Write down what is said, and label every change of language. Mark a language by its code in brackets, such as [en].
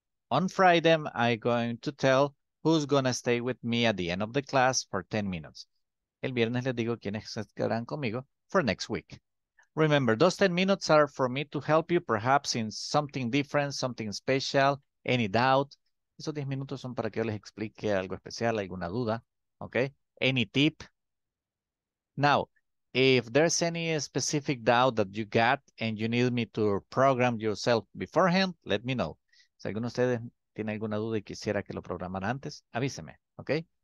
[en] On Friday, I'm going to tell who's going to stay with me at the end of the class for 10 minutes. [es] El viernes les digo quiénes quedarán conmigo [en] for next week. Remember, those 10 minutes are for me to help you perhaps in something different, something special, any doubt. [es] Esos 10 minutos son para que yo les explique algo especial, alguna duda, okay? [en] Any tip. Now, if there's any specific doubt that you got and you need me to program yourself beforehand, let me know. [es] Si alguno de ustedes tiene alguna duda y quisiera que lo programara antes, avíseme, okay?